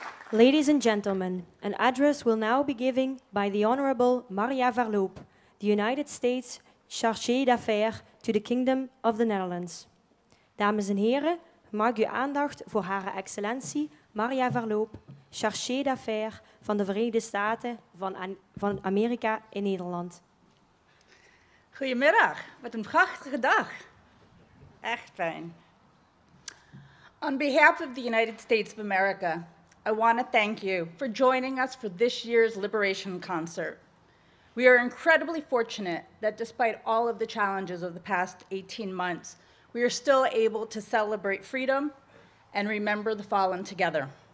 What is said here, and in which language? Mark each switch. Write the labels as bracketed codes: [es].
[en] Ladies and gentlemen, an address will now be given by the Honorable Maria Verloop, the United States Chargé d'Affaires to the Kingdom of the Netherlands. [nl] Dames en heren, mag uw aandacht voor Hare Excellentie Maria Verloop, Chargé d'Affaires van de Verenigde Staten van Amerika in Nederland. Goedemiddag, wat een prachtige dag. Echt fijn. [en] On behalf of the United States of America, I want to thank you for joining us for this year's Liberation Concert. We are incredibly fortunate that despite all of the challenges of the past 18 months, we are still able to celebrate freedom and remember the fallen together.